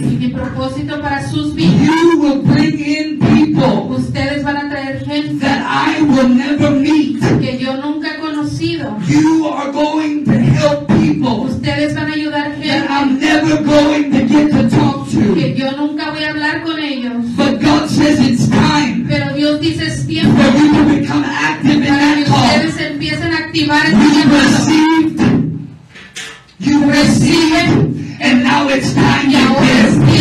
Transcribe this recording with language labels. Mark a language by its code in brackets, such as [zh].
[es] Y mi propósito para sus vidas. [en] You will bring in people. [es] Ustedes van a traer gente. [en] That I will never meet. [es] Que yo nunca he conocido. [en] You are going to help people. [es] Ustedes van a ayudar gente [en] that I'm never going to get to talk to. [es] Que yo nunca voy a hablar con ellos. [en] But God says it's time. [es] Pero Dios dice es tiempo. [en] For you to become active in that call. [es] Ustedes empiecen a activar ese llamado. [en] You received, and now it's time to give.